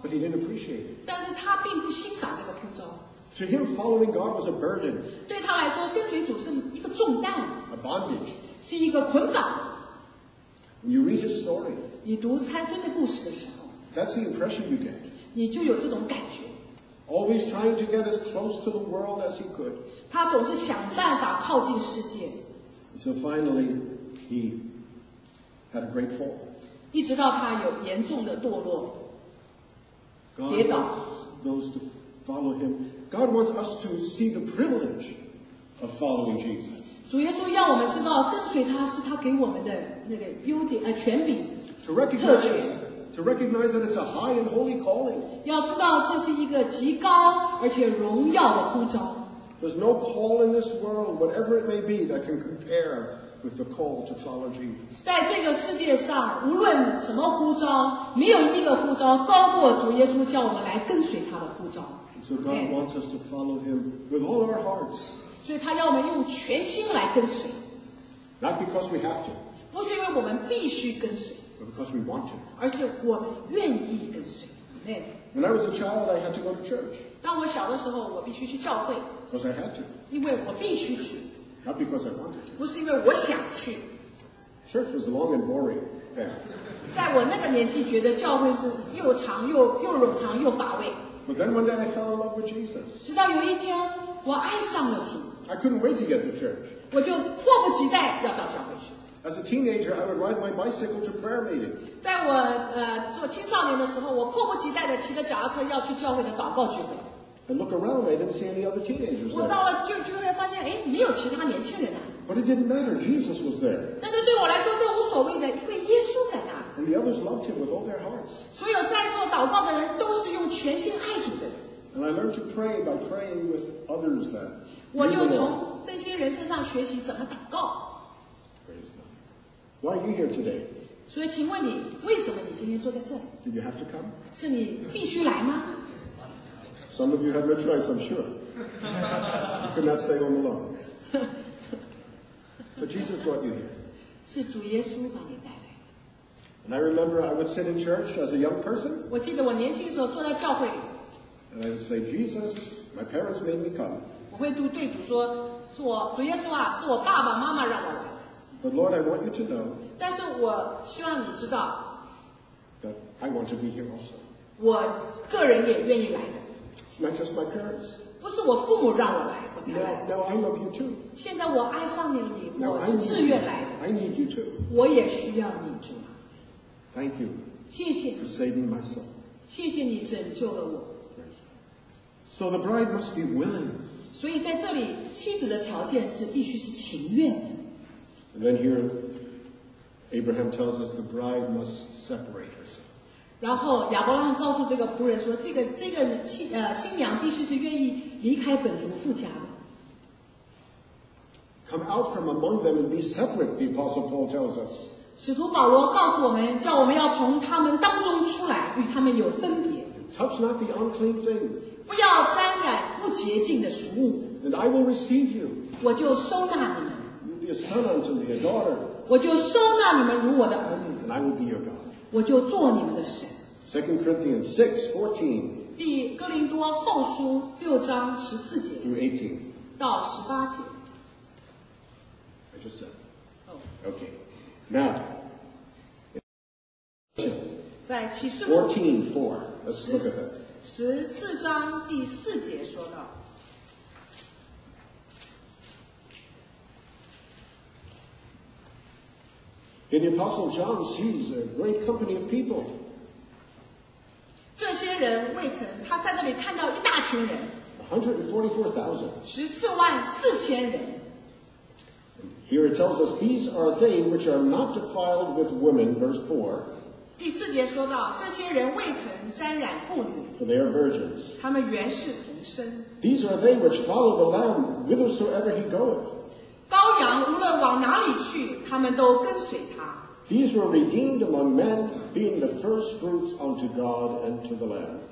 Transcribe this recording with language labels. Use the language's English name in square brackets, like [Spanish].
[English] But he didn't appreciate it. [Chinese] 但是他并不欣赏这个呼召。 [English] To him, following God was a burden. [Chinese] 对他来说，跟随主是一个重担。 [English] A bondage. [Chinese] 是一个捆绑。 [English] When you read his story. [Chinese] 你读参孙的故事的时候。 [English] That's the impression you get. [Chinese] 你就有这种感觉。 [English] Always trying to get as close to the world as he could. [Chinese] 他总是想办法靠近世界。 [English] So finally, he had a great fall. [Chinese] 一直到他有严重的堕落。跌倒。 [English] God wants those to follow him. God wants us to see the privilege of following Jesus. [Chinese] 主耶稣要我们知道跟随他是他给我们的那个优点权柄。 [English] To recognize, to recognize that it's a high and holy calling. [Chinese] 要知道这是一个极高而且荣耀的呼召。 [English] There's no call in this world, whatever it may be, that can compare with the call to follow Jesus. [Chinese] 在这个世界上，无论什么呼召，没有一个呼召高过主耶稣叫我们来跟随他的呼召。 [English] So God wants us to follow Him with all our hearts. [Chinese] 所以他要我们用全心来跟随。 [English] Not because we have to. [Chinese] 不是因为我们必须跟随。 [English] But because we want to. [Chinese] 而且我们愿意跟随。Amen. [English] When I was a child, I had to go to church. [Chinese] 当我小的时候，我必须去教会。 [English] Because I had to. [Chinese] 因为我必须去。 [English] Not because I wanted to. [Chinese] 不是因为我想去。 [English] Church was long and boring there. [Chinese] 在我那个年纪，觉得教会是又长又冗长又乏味。 [English] But then one day I fell in love with Jesus. [Chinese] 直到有一天，我爱上了主。 [English] I couldn't wait to get to church. [Chinese] 我就迫不及待要到教会去。 [English] As a teenager, I would ride my bicycle to prayer meeting. [Chinese] 在我做青少年的时候，我迫不及待的骑着脚踏车要去教会的祷告聚会。 [English] And look around, I didn't see any other teenagers. [Chinese] 我到了聚会发现，哎，没有其他年轻人啊。 [English] But it didn't matter. Jesus was there. [Chinese] 但是对我来说，这无所谓的，因为耶稣在那。 [English] And the others loved him with all their hearts. [Chinese] 所有在座祷告的人都是用全心爱主的。 [English] And I learned to pray by praying with others then. [Chinese] 我就从这些人身上学习怎么祷告。 [English] Praise God. Why are you here today? [Chinese] 所以请问你，为什么你今天坐在这里？ [English] Did you have to come? [Chinese] 是你必须来吗？ [English] Some of you had no choice, I'm sure. You could not stay home alone. But Jesus brought you here. [Chinese] 是主耶稣把你带来。 [English] And I remember I would sit in church as a young person. [Chinese] 我记得我年轻时候坐在教会里。 [English] And I would say, Jesus, my parents made me come. [Chinese] 我会对主说，是我主耶稣啊，是我爸爸妈妈让我来。 [English] But Lord, I want you to know. [Chinese] 但是我希望你知道。 [English] That I want to be here also. [Chinese] 我个人也愿意来的。 [English] It's not just my parents. [Chinese] 不是我父母让我来，我才来的。 [English] Now I love you too. [Chinese] 现在我爱上你，我是自愿来的。 [English] I need you too. [Chinese] 我也需要你主。 [English] Thank you. [Chinese] 谢谢。 [English] For saving my soul. [Chinese] 谢谢你拯救了我。 [English] So the bride must be willing. [Chinese] 所以在这里，妻子的条件是必须是情愿的。 [English] And then here, Abraham tells us the bride must separate herself. [Chinese] 然后亚伯拉罕告诉这个仆人说，这个新娘必须是愿意离开本族父家的。 [English] Come out from among them and be separate, the Apostle Paul tells us. [Chinese] 使徒保罗告诉我们，叫我们要从他们当中出来，与他们有分别。 [English] Touch not the unclean thing. [Chinese] 不要沾染不洁净的俗物。 [English] And I will receive you. [Chinese] 我就收纳你们。 [English] You'll be a son unto me, a daughter. [Chinese] 我就收纳你们如我的儿女。 [English] And I will be your God. [Chinese] 我就做你们的神。 [English] Second Corinthians 6:14. [Chinese] 第哥林多后书六章十四节。 [English] Through 18. [Chinese] 到十八节。 [English] I just said. Okay. Now, [Chinese] 在启示录 [English] 14:4, let's look at that. [Chinese] 十四章第四节说到， [English] in the Apostle John sees a great company of people. [Chinese] 这些人未曾，他在这里看到一大群人。 [English] 144,000。 [Chinese] 十四万四千人。 [English] Here it tells us, these are they which are not defiled with women, verse 4. [Chinese] 第四节说到，这些人未曾沾染妇女。 [English] For they are virgins. [Chinese] 他们原是童身。 [English] These are they which follow the Lamb whithersoever he goeth. [Chinese] 羔羊无论往哪里去，他们都跟随他。 [English] These were redeemed among men, being the first fruits unto God and to the Lamb.